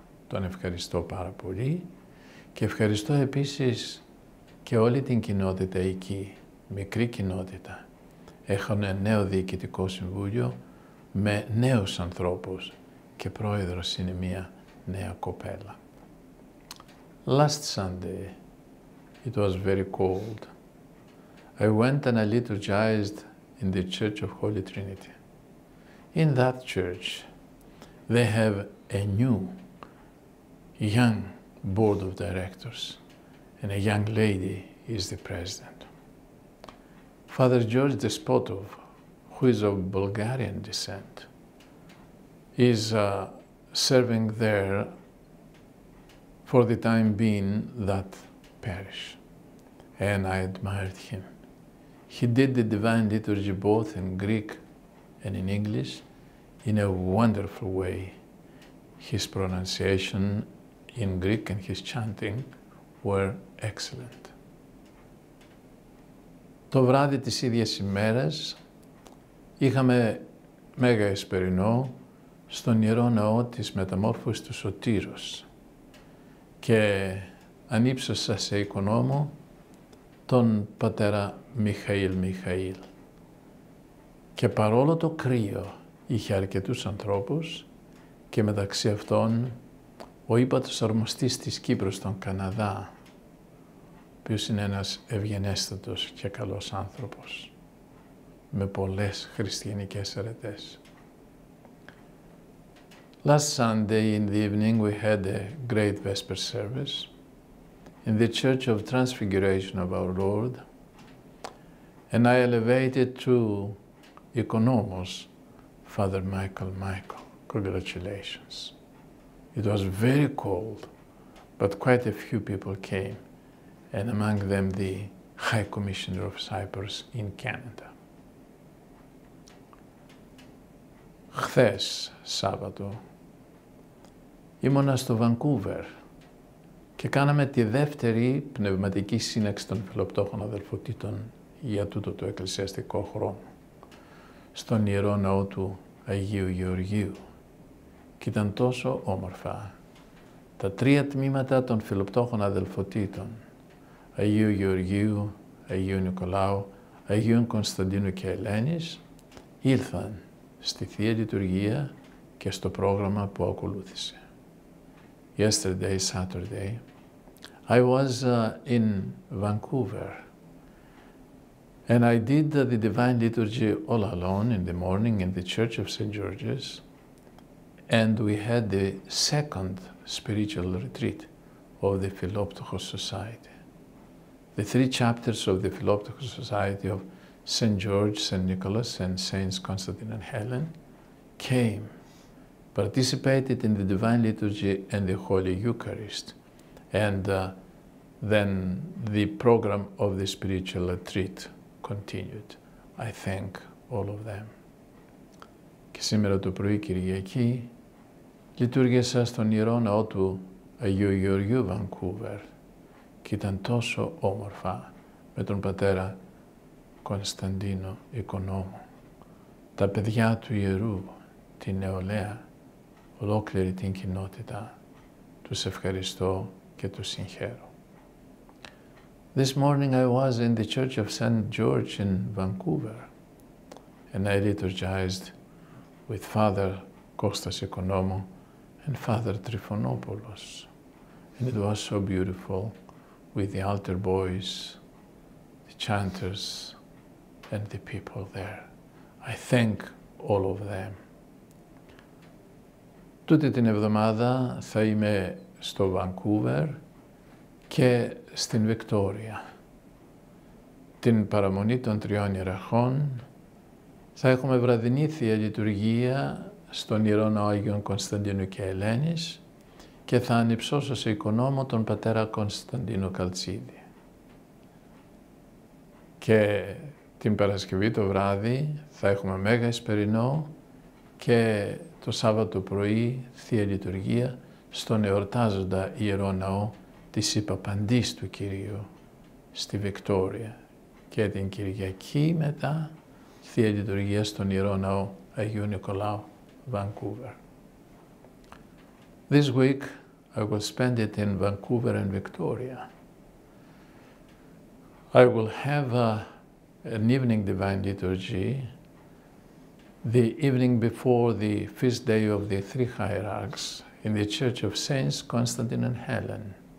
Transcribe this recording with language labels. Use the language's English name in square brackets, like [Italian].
[Greek] Τον ευχαριστώ πάρα πολύ και ευχαριστώ επίσης και όλη την κοινότητα εκεί, μικρή κοινότητα. Έχουν νέο διοικητικό συμβούλιο με νέους ανθρώπους και πρόεδρος είναι μία νέα κοπέλα. [English] Last Sunday, it was very cold. I went and I liturgized in the Church of Holy Trinity. In that church, they have a new, young board of directors, and a young lady is the president. Father George Despotov, who is of Bulgarian descent, is serving there for the time being that parish, and I admired him. He did the Divine Liturgy both in Greek and in English in a wonderful way. His pronunciation in Greek and his chanting were excellent. [Greek] Το βράδυ της ίδιας ημέρας είχαμε μέγα εσπερινό στον Ιερό Ναό της Μεταμόρφωσης του Σωτήρος και ανύψωσα σε εικονό μου τον πατέρα Μιχαήλ Μιχαήλ. Και παρόλο το κρύο είχε αρκετούς ανθρώπους και μεταξύ αυτών ο ύπατος ορμοστής της Κύπρου στον Καναδά, ο οποίος είναι ένας ευγενέστατος και καλός άνθρωπος, με πολλές χριστιανικές αρετές. [English] Last Sunday in the evening we had a great Vesper service in the Church of Transfiguration of our Lord, and I elevated to Economos Father Michael Michael. Congratulations. It was very cold, but quite a few people came, and among them the High Commissioner of Cyprus in Canada. [Greek] Χθες, Σάββατο, ήμουνα στο Βανκούβερ και κάναμε τη δεύτερη πνευματική σύναξη των φιλοπτώχων αδελφοτήτων για τούτο το εκκλησιαστικό χρόνο, στον Ιερό Ναό του Αγίου Γεωργίου. Και ήταν τόσο όμορφα. Τα τρία τμήματα των φιλοπτώχων αδελφοτήτων, Αγίου Γεωργίου, Αγίου Νικολάου, Αγίου Κωνσταντίνου και Ελένης, ήλθαν στη Θεία Λειτουργία και στο πρόγραμμα που ακολούθησε. [English] Yesterday, Saturday, I was in Vancouver and I did the Divine Liturgy all alone in the morning in the Church of St. George's, and we had the second spiritual retreat of the Philoptochos Society. The three chapters of the Philoptochos Society of St. George, St. Nicholas, and Saints Constantine and Helen came, participated in the Divine Liturgy and the Holy Eucharist, and then the program of the spiritual retreat continued. I thank all of them. [Greek] Και σήμερα το πρωί, Κυριακή, λειτουργήσα στον Ιερό Ναό του Αγίου Γεωργίου Βανκούβερ και ήταν τόσο όμορφα με τον πατέρα Κωνσταντίνο Οικονόμου, τα παιδιά του Ιερού, την νεολαία, ολόκληρη την κοινότητα. Τους ευχαριστώ και τους συγχαίρω. [English] This morning I was in the Church of St. George in Vancouver and I liturgized with Father Kostas Oikonomou and Father Trifonopoulos. And it was so beautiful with the altar boys, the chanters, and the people there. I thank all of them. [Greek] Τούτη την εβδομάδα θα είμαι στο Vancouver και στην Βικτόρια. Την παραμονή των τριών ιεραρχών θα έχουμε βραδινή Θεία Λειτουργία στον Ιερό Ναό Αγίων Κωνσταντίνου και Ελένης και θα ανυψώσω σε οικονόμο τον πατέρα Κωνσταντίνο Καλτσίδη. Και την Παρασκευή το βράδυ θα έχουμε Μέγα Εσπερινό και το Σάββατο πρωί Θεία Λειτουργία στον εορτάζοντα Ιερό Ναό της Υπαπαντής του Κυρίου στη Βικτόρια και την Κυριακή μετά Θεία Λειτουργία στον Ιερό Ναό Αγίου Νικολάου, Vancouver. [English] This week I will spend it in Vancouver and Victoria. I will have an evening Divine Liturgy, the evening before the feast day of the Three Hierarchs in the Church of Saints Constantine and Helen.